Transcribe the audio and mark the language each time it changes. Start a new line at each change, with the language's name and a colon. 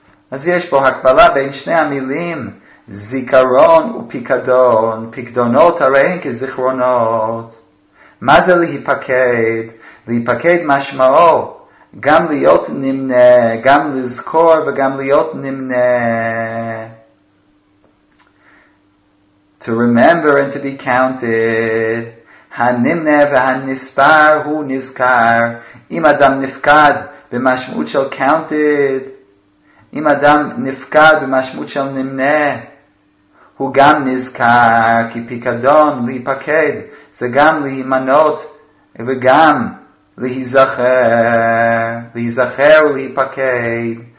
Hebrew: אז יש פה הקבלה בין שני המילים, זיכרון ופיקדון. פקדונות הרי הן כזיכרונות. מה זה להיפקד? להיפקד משמעו גם להיות נמנה, גם לזכור וגם להיות נמנה.
English: To remember and to be counted.
Hebrew: הנמנה והנספר הוא נזכר. אם אדם נפקד במשמעות של counted, אם אדם נפקד במשמעות של נמנה, הוא גם נזכר, כי פיקדון, להיפקד, זה גם להימנות וגם להיזכר ולהיפקד.